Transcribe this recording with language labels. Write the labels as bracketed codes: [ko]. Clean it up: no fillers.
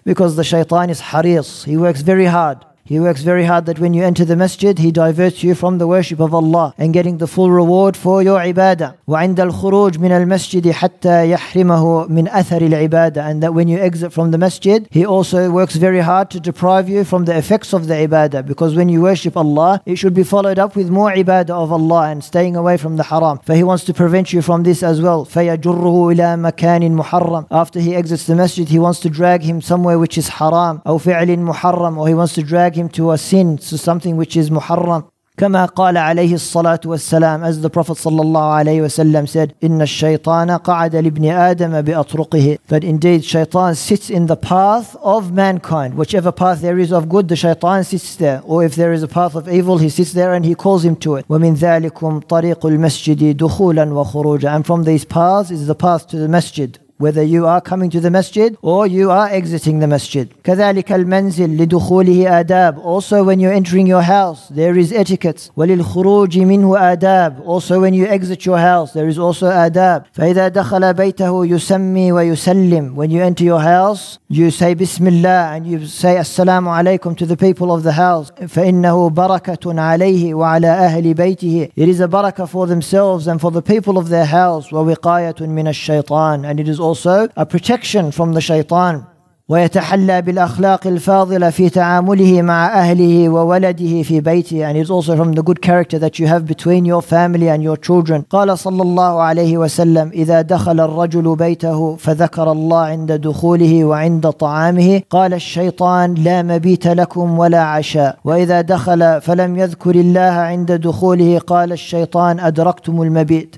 [en] Because the shaitan is حريص, he works very hard that when you enter the masjid, he diverts you from the worship of Allah and getting the full reward for your ibadah. [ar] وعند الخروج من المسجد حتى يحرمه من أثر العبادة. [en] And that when you exit from the masjid, he also works very hard to deprive you from the effects of the ibadah. Because when you worship Allah, it should be followed up with more ibadah of Allah and staying away from the haram. For he wants to prevent you from this as well. [ar] فيجره إلى مكان محرم. [en] After he exits the masjid, he wants to drag him somewhere which is haram. [ar] أو فعل محرم. [en] Or he wants to drag him to a sin, to something which is muharram. [ar] كما قال عليه الصلاة والسلام, [en] as the Prophet [ar] صلى الله عليه وسلم said, إن الشيطان قعد لابن آدم بأطرقه. [en] That indeed shaitan sits in the path of mankind. Whichever path there is of good, the shaitan sits there. Or if there is a path of evil, he sits there and he calls him to it. [ar] ومن ذلكم طريق المسجد دخولا وخروجا. [en] And from these paths is the path to the masjid, whether you are coming to the masjid or you are exiting the masjid. [ar] كذلك المنزل لدخوله آداب. [en] Also when you're entering your house, there is etiquette. [ar] وللخروج منه آداب. [en] Also when you exit your house, there is also آداب. [ar] فإذا دخل بيته يسمي ويسلم. [en] When you enter your house, you say Bismillah and you say [ar] السلام عليكم [en] to the people of the house. [ar] فإنه بركة عليه وعلى أهل بيته. [en] It is a baraka for themselves and for the people of their house. [ar] ووقاية من الشيطان. [en] And it is also a protection from the shaitan. [ar] ويتحلى بالأخلاق الفاضلة في تعامله مع أهله وولده في بيته. [en] And it's also from the good character that you have between your family and your children. [ar] قال صلى الله عليه وسلم إذا دخل الرجل بيته فذكر الله عند دخوله وعند طعامه قال الشيطان لا مبيت لكم ولا عشاء. وإذا دخل فلم يذكر الله عند دخوله قال الشيطان أدركتم المبيت.